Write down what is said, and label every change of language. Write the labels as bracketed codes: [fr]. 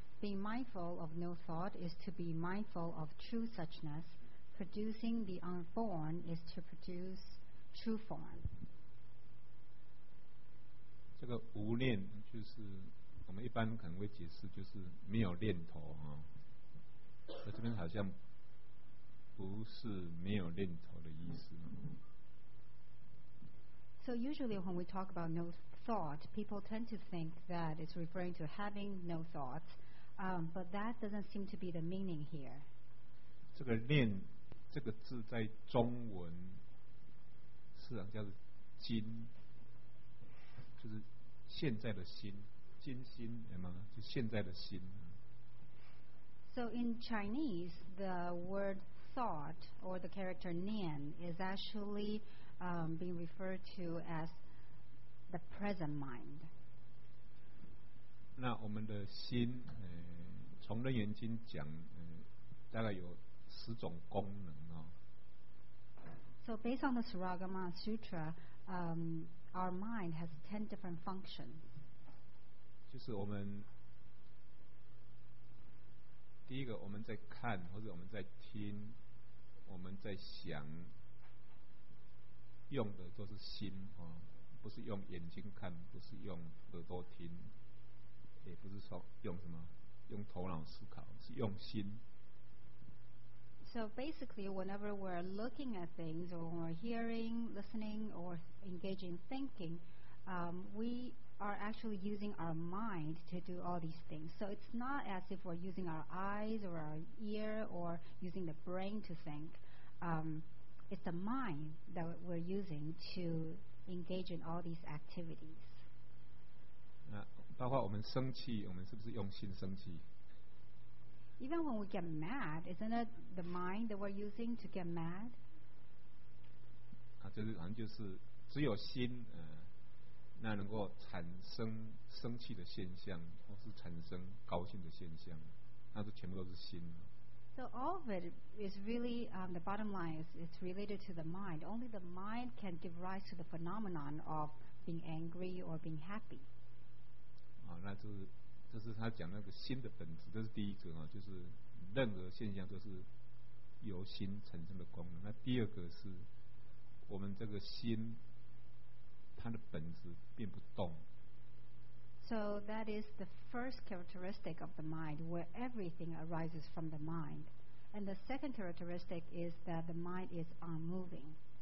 [en] Being mindful of no thought is to be mindful of true suchness. Producing the unborn is to produce true form. [zh] 这个无念就是我们一般可能会解释就是没有念头啊，那这边好像不是没有念头的意思。 [en] So usually when we talk about no thought, people tend to think that it's referring to having no thoughts, but that doesn't seem to be the meaning here. [zh] 这个念这个字在中文是啊叫做金，就是现在的心，金心，有吗？就现在的心。 [en] So in Chinese, the word thought or the character nian is actually being referred to as the present mind. [zh] 那我们的心，从楞严经讲，大概有十种功能啊。 [en] So based on the Saragama Sutra, our mind has 10 different functions. [zh] 就是我们第一个我们在看或者我们在听我们在想用的都是心，不是用眼睛看，不是用耳朵听，也不是说用什么用头脑思考，是用心。 [en] So basically, whenever we're looking at things, or we're hearing, listening, or engaging thinking, we are actually using our mind to do all these things. So it's not as if we're using our eyes or our ear or using the brain to think. It's the mind that we're using to engage in all these activities. [zh] 那包括我们生气，我们是不是用心生气？ [en] Even when we get mad, isn't it the mind that we're using to get mad? [zh] 啊，就是好像就是只有心，那能够产生生气的现象，或是产生高兴的现象，那都全部都是心。 [en] So all of it is really the bottom line is it's related to the mind. Only the mind can give rise to the phenomenon of being angry or being happy. [zh] 啊，那就是。这是他讲那个心的本质，这是第一个啊，就是任何现象都是由心产生的功能。那第二个是我们这个心它的本质并不动。 [en] So that is the first characteristic of the mind, where everything arises from the mind. And the second characteristic is that the mind is unmoving.